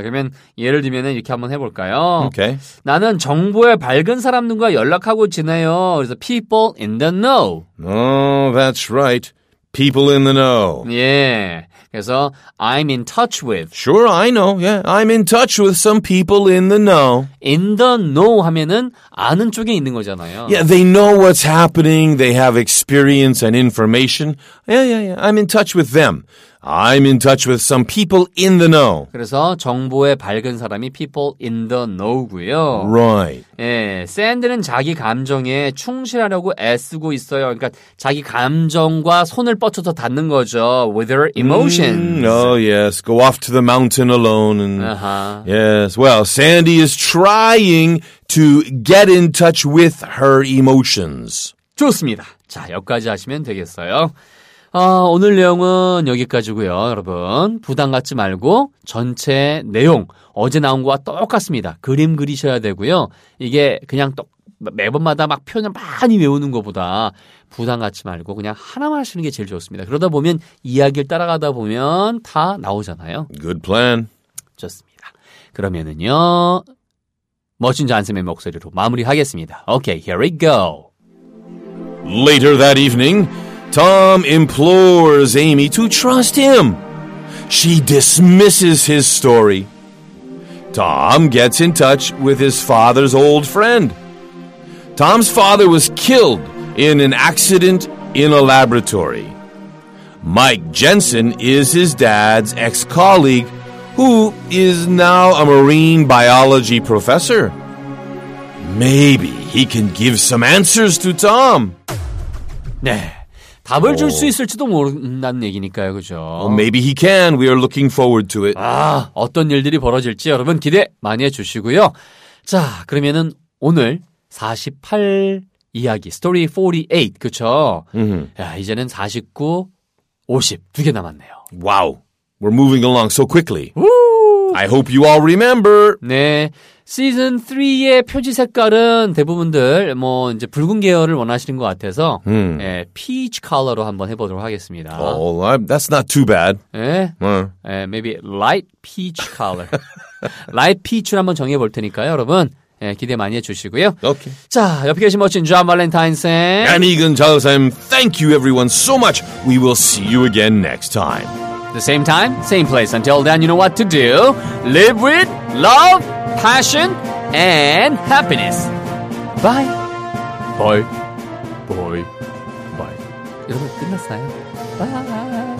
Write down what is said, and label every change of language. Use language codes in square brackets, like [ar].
[ko] 그러면 예를 들면 이렇게 한번 해볼까요? [en] Okay. [ko] 나는 정보에 밝은 사람 누군가 연락하고 지내요. 그래서 [en] people in the know. Oh, that's right. People in the know. [ko] 예. 그래서 [en] I'm in touch with. Sure, I know. Yeah, I'm in touch with some people in the know. In the know [ko] 하면은 아는 쪽에 있는 거잖아요. [en] Yeah, they know what's happening. They have experience and information. Yeah. I'm in touch with them. I'm in touch with some people in the know. [ko] 그래서 정보에 밝은 사람이 [en] people in the know [ko] 고요. [en] Right. [ko] 예, 샌드는 자기 감정에 충실하려고 애쓰고 있어요. 그러니까 자기 감정과 손을 뻗쳐서 닿는 거죠. [en] With her emotions. Oh, yes. Go off to the mountain alone. And, uh-huh. Yes. Well, Sandy is trying to get in touch with her emotions. [ko] 좋습니다. 자, 여기까지 하시면 되겠어요. 아, 오늘 내용은 여기까지고요. 여러분, 부담 갖지 말고 전체 내용 어제 나온 거와 똑같습니다. 그림 그리셔야 되고요. 이게 그냥 또 매번마다 막 표현을 많이 외우는 것보다 부담 갖지 말고 그냥 하나만 하시는 게 제일 좋습니다. 그러다 보면 이야기를 따라가다 보면 다 나오잖아요. [en] Good plan. [ko] 좋습니다. 그러면은요. 멋진 잔쌤의 목소리로 마무리하겠습니다. [en] Okay, here we go. Later that evening, Tom implores Amy to trust him. She dismisses his story. Tom gets in touch with his father's old friend. Tom's father was killed in an accident in a laboratory. Mike Jensen is his dad's ex-colleague, who is now a marine biology professor. Maybe he can give some answers to Tom. [ko] 네. 답을 줄 수 있을지도 모른다는 얘기니까요. 그렇죠? [en] Well, maybe he can. We are looking forward to it. [ko] 아, 어떤 일들이 벌어질지 여러분 기대 많이 해주시고요. 자, 그러면은 오늘 48 이야기, 스토리 48, 그렇죠? [en] Mm-hmm. [ko] 야, 이제는 49, 50, 두 개 남았네요. [en] Wow, we're moving along so quickly. Woo! I hope you all remember. [ko] 네. 시즌 3의 표지 색깔은 대부분들 뭐 이제 붉은 계열을 원하시는 것 같아서 예, peach color로 한번 해보도록 하겠습니다. [en] Oh, that's not too bad. 예? Maybe light peach color. [ko] light peach로 한번 정해 볼 테니까요, 여러분 예, 기대 많이 해주시고요. [en] Okay. [ko] 자, 옆에 계신 멋진 존 발렌타인 쌤, 안익은 자우 쌤, [en] thank you everyone so much. We will see you again next time. The same time, same place. Until then, you know what to do. Live with love, passion, and happiness. Bye. Bye. Bye. Bye. [ko] 여러분, 끝났어요. Bye.